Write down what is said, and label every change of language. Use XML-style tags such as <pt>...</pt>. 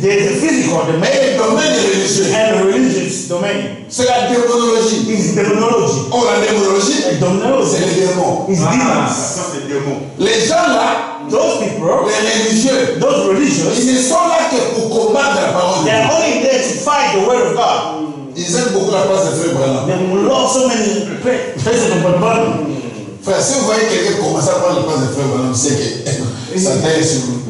<en>There is a physical domain.</en> <fr>Et le domaine religieux. religieux.</fr> <en>And religious domain.</en> <fr>C'est la démonologie.</fr> <en>It's demonology.</en> <fr>Oh, la démonologie.</fr> <en>The demonology.</en> <fr>C'est les démons.</fr> <en>It's demons.</en> <fr>Les gens là.</fr> <en>Those people.</en> <fr>Les religieux.</fr> <en>Those religious.</en> <fr>Ils ne sont là que pour combattre la parole de Dieu.</fr> <en>They are only there to fight the word of God.</en> <fr>Ils aiment beaucoup la place de Frère Branham.</fr> <en>They love so many places.</en> <fr>Frère, si vous voyez quelqu'un commencer à prendre la place de Frère Branham, c'est que ça taille sur vous.</fr>